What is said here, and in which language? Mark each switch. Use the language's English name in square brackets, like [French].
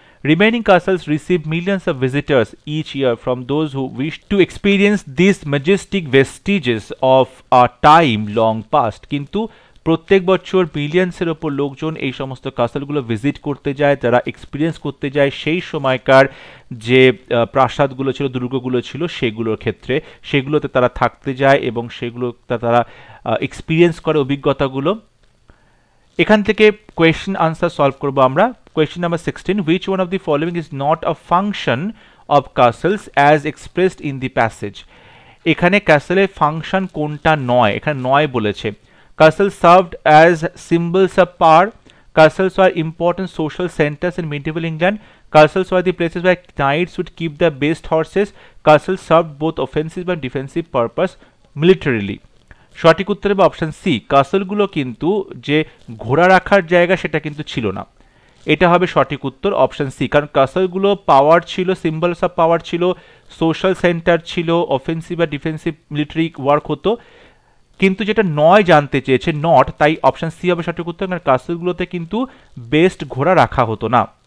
[English] remaining castles receive millions of visitors each year from those who wish to experience this majestic vestiges of a time long past, [Bangla] কিন্তু প্রত্যেক বছর মিলিয়ন্সের ওপর লোকজন এই সমস্ত কাসেলগুলো ভিজিট করতে যায়, যারা এক্সপিরিয়েন্স করতে যায় সেই সময়কার যে প্রাসাদগুলো ছিল, দুর্গগুলো ছিল সেগুলোর ক্ষেত্রে, সেগুলোতে তারা থাকতে যায় এবং সেগুলোতে তারা এক্সপিরিয়েন্স করে অভিজ্ঞতাগুলো। এখান থেকে কোয়েশ্চেন আনসার সলভ করবো আমরা। [English] question number 16, which one of the following is not a function of castles as expressed in the passage, [Bangla] এখানে কাসেলের ফাংশন কোনটা নয়, এখানে নয় বলেছে। [English] Castles served as symbols of power. Castles were important social centers in medieval England. Castles were the places where knights would keep their best horses. Castles served both offensive and defensive purpose militarily. [Bangla] সঠিক উত্তর হবে option C, কাসেলগুলো কিন্তু যে ঘোড়া রাখার জায়গা সেটা কিন্তু ছিল না, এটা হবে সঠিক উত্তর অপশন সি, কারণ কাসেলগুলো পাওয়ার ছিল, সিম্বলস অফ পাওয়ার ছিল, সোশ্যাল সেন্টার ছিল, অফেন্সিভ আর ডিফেন্সিভ মিলিটারি ওয়ার্ক হতো, কিন্তু যেটা নয় জানতে চেয়েছে নট, তাই অপশান সি হবে সঠিক উত্তর, কারণ কাসেলগুলোতে কিন্তু বেস্ট ঘোড়া রাখা হতো না।